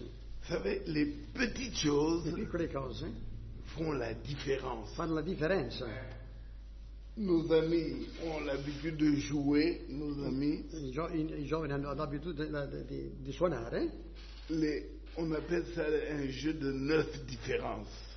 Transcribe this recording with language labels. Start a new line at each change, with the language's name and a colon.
French: Vous savez, les petites choses,
Italian: les piccole cose,
French: font la différence.
Italian: Fanno la differenza.
French: Nos amis ont l'habitude de jouer, nos amis.
Italian: I giovani hanno l'abitudine di suonare.
French: On appelle ça un jeu de 9 différences.